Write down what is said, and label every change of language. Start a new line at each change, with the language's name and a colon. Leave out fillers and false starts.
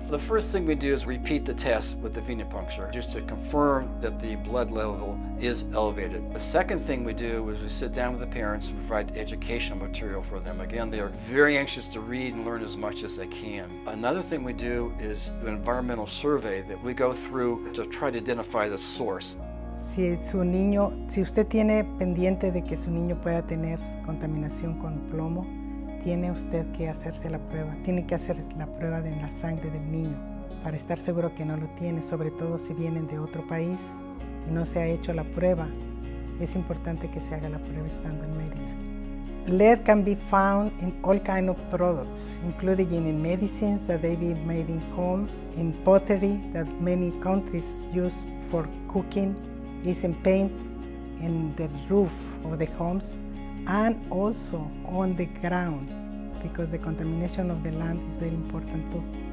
English: The first thing we do is repeat the test with the venipuncture, just to confirm that the blood level is elevated. The second thing we do is we sit down with the parents and provide educational material for them. Again, they are very anxious to read and learn as much as they can. Another thing we do is an environmental survey that we go through to try to identify the source.
Spanish: Si su niño, si usted tiene pendiente de que su niño pueda tener contaminación con plomo, tiene usted que hacerse la prueba. Tiene que hacer la prueba en la sangre del niño para estar seguro que no lo tiene, sobre todo si vienen de otro país y no se ha hecho la prueba. Es importante que se haga la prueba estando en Maryland.
English: Lead can be found in all kinds of products, including in medicines that they be made in home, in pottery that many countries use for cooking, is in paint in the roof of the homes and also on the ground because the contamination of the land is very important too.